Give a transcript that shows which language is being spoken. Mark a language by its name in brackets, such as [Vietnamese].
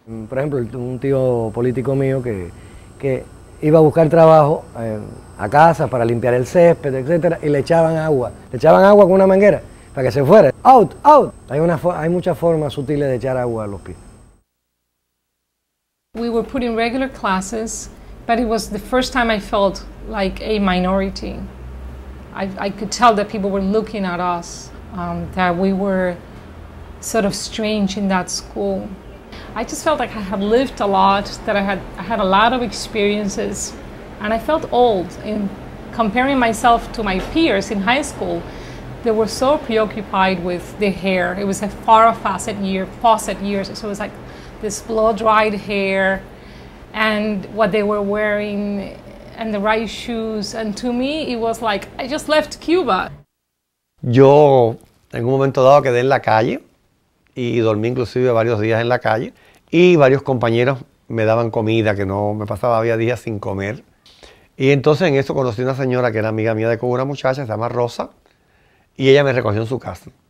[Spanish] Por ejemplo, un tío político mío que iba a buscar trabajo a casa para limpiar el césped, etcétera, y le echaban agua. Le echaban agua con una manguera para que se fuera. [English] ¡Out! ¡Out! [Spanish] Hay muchas formas sutiles de echar agua a los pies. [English] We were put in regular classes. But it was the first time I felt like a minority. I could tell that people were looking at us, that we were sort of strange in that school. I just felt like I had lived a lot, that I had a lot of experiences, and I felt old. In comparing myself to my peers in high school, they were so preoccupied with the hair. It was a faucet year, so it was like this blow-dried hair, and what they were wearing, and the right shoes, and to me, it was like, I just left Cuba. [Spanish] Yo, en un momento dado, quedé en la calle, y dormí inclusive varios días en la calle, y varios compañeros me daban comida, que no, me pasaba, había días sin comer. Y entonces, en eso, conocí una señora que era amiga mía de Cuba, una muchacha, se llama Rosa, y ella me recogió en su casa.